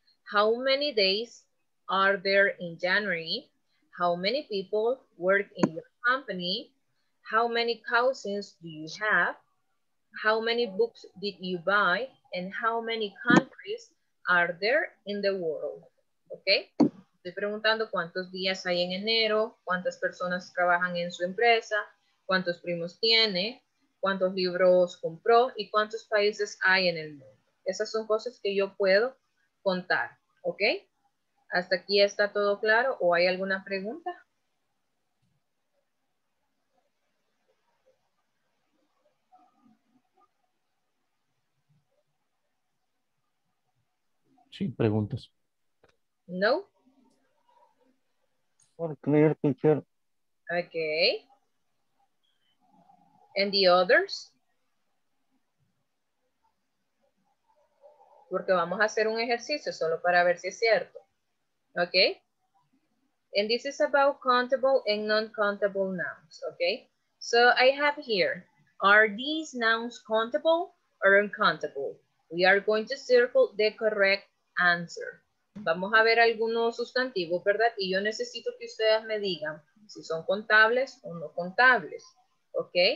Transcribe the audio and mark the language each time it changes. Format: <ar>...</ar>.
<en>How many days are there in January? How many people work in your company? How many cousins do you have? How many books did you buy? And how many countries are there in the world? Okay?</en> <es>Estoy preguntando cuántos días hay en enero, cuántas personas trabajan en su empresa, cuántos primos tiene, cuántos libros compró y cuántos países hay en el mundo. Esas son cosas que yo puedo contar, ¿ok? ¿Hasta aquí está todo claro o hay alguna pregunta? Sí, preguntas. No.</es> <en>Por clear, teacher. Okay. And the others?</en> <es>Porque vamos a hacer un ejercicio solo para ver si es cierto.</es> <en>Okay. And this is about countable and non-countable nouns. Okay. So I have here, are these nouns countable or uncountable? We are going to circle the correct answer.</en> <es>Vamos a ver algunos sustantivos, ¿verdad? Y yo necesito que ustedes me digan si son contables o no contables. ¿Ok?</es>